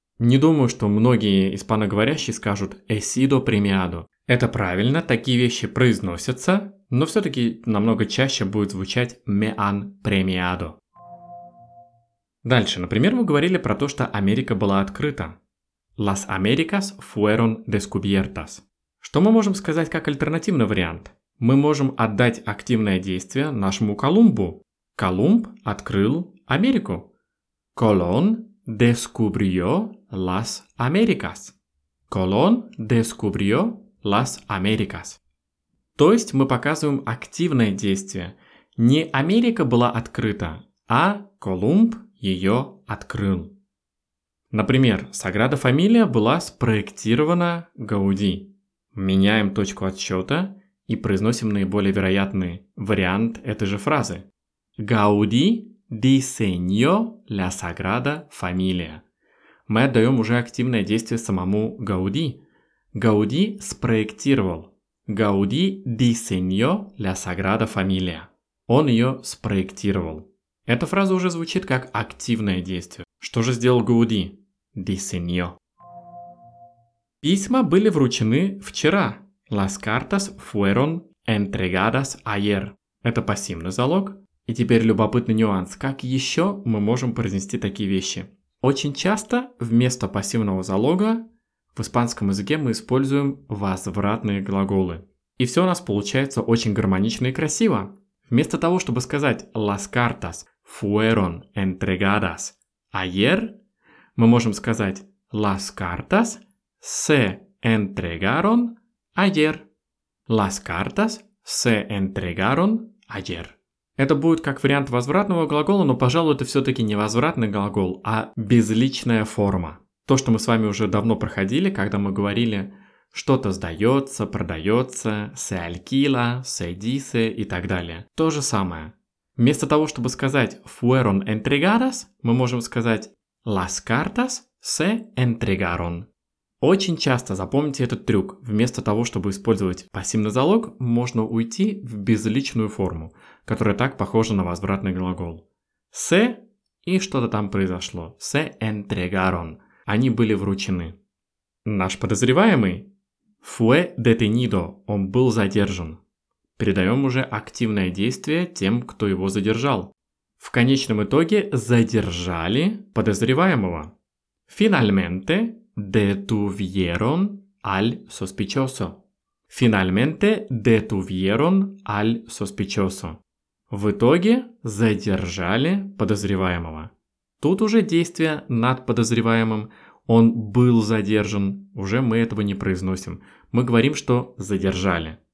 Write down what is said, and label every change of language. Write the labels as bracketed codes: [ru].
[ru] Не думаю, что многие испаноговорящие скажут [es] «he sido premiado». [ru] Это правильно, такие вещи произносятся, но все-таки намного чаще будет звучать [es] «me han premiado». [ru] Дальше, например, мы говорили про то, что Америка была открыта. [es] Las Americas fueron descubiertas. [ru] Что мы можем сказать как альтернативный вариант? Мы можем отдать активное действие нашему Колумбу. Колумб открыл Америку. [es] Colón descubrió las Americas. Colón descubrió las Americas. [ru] То есть мы показываем активное действие. Не Америка была открыта, а Колумб ее открыл. Например, Саграда Фамилия была спроектирована Гауди. Меняем точку отсчета и произносим наиболее вероятный вариант этой же фразы. [es] Гауди диseñó la Sagrada Familia. [ru] Мы отдаем уже активное действие самому Гауди. Гауди спроектировал. [es] Гауди диseñó la Sagrada Familia. [ru] Он ее спроектировал. Эта фраза уже звучит как активное действие. Что же сделал Гауди? Diseñó. Письма были вручены вчера. [es] Las cartas fueron entregadas ayer. [ru] Это пассивный залог. И теперь любопытный нюанс. Как еще мы можем произнести такие вещи? Очень часто вместо пассивного залога в испанском языке мы используем возвратные глаголы. И все у нас получается очень гармонично и красиво. Вместо того, чтобы сказать [es] «las cartas fueron entregadas ayer», [ru] мы можем сказать [es] «las cartas se entregaron ayer». «Las cartas se entregaron ayer». [ru] Это будет как вариант возвратного глагола, но, пожалуй, это все-таки не возвратный глагол, а безличная форма. То, что мы с вами уже давно проходили, когда мы говорили «что-то сдается, продается», [es] «se alquila», «se dice» [ru] и так далее. То же самое. Вместо того, чтобы сказать [es] «fueron entregadas», [ru] мы можем сказать [es] «las cartas se entregaron». [ru] Очень часто запомните этот трюк. Вместо того, чтобы использовать пассивный залог, можно уйти в безличную форму, которая так похожа на возвратный глагол. «Se» и что-то там произошло. [es] «Se entregaron». [ru] Они были вручены. Наш подозреваемый [es] «fue detenido», [ru] он был задержан. Передаем уже активное действие тем, кто его задержал. В конечном итоге задержали подозреваемого. [es] «Finalmente detuvieron al sospechoso». «Finalmente detuvieron al sospechoso». [ru] В итоге задержали подозреваемого. Тут уже действие над подозреваемым. Он был задержан. Уже мы этого не произносим. Мы говорим, что задержали.